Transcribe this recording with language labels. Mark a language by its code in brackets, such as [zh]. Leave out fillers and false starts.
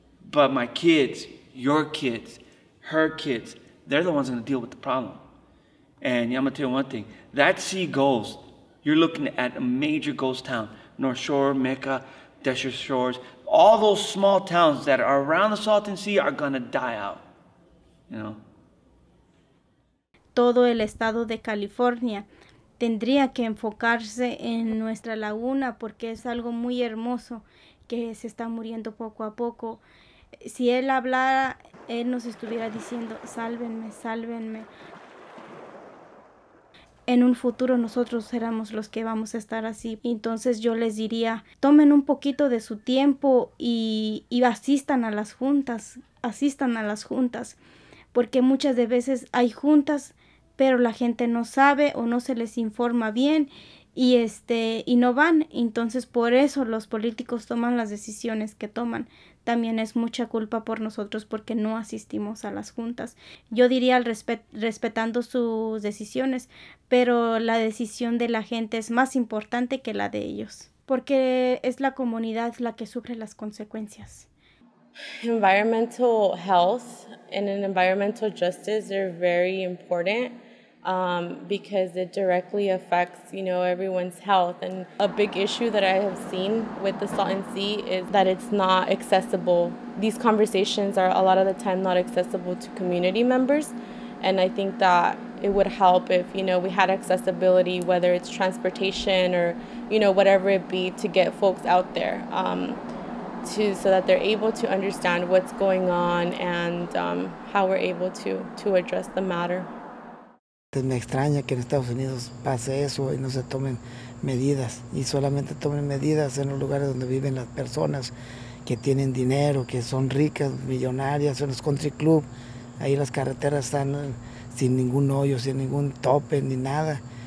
[en] But my kids, your kids, her kids, they're the ones gonna deal with the problem. And yeah, I'm gonna tell you one thing, that sea goes, you're looking at a major ghost town, North Shore, Mecca, Desert Shores, all those small towns that are around the Salton Sea are gonna die out, you know? [es] Todo el estado de California tendría que enfocarse en nuestra laguna porque es algo muy hermoso que se está muriendo poco a poco. Si él hablara, él nos estuviera diciendo, sálvenme, sálvenme. En un futuro nosotros seremos los que vamos a estar así. Entonces yo les diría, tomen un poquito de su tiempo y asistan a las juntas. Asistan a las juntas. Porque muchas de veces hay juntas, pero la gente no sabe o no se les informa bien y no van. Entonces por eso los políticos toman las decisiones que toman. También es mucha culpa por nosotros porque no asistimos a las juntas. Yo diría respetando sus decisiones, pero la decisión de la gente es más importante que la de ellos, porque es la comunidad la que sufre las consecuencias. [en] Environmental health and an environmental justice are very important because it directly affects, you know, everyone's health. And a big issue that I have seen with the Salton Sea is that it's not accessible. These conversations are a lot of the time not accessible to community members. And I think that it would help if, you know, we had accessibility, whether it's transportation or, you know, whatever it be, to get folks out there. So that they're able to understand what's going on and how we're able to address the matter. [es] Me extraña que en Estados Unidos pase eso y no se tomen medidas, y solamente tomen medidas en los lugares donde viven las personas que tienen dinero, que son ricas, millonarias, en los country club. Ahí las carreteras están sin ningún hoyo, sin ningún tope ni nada.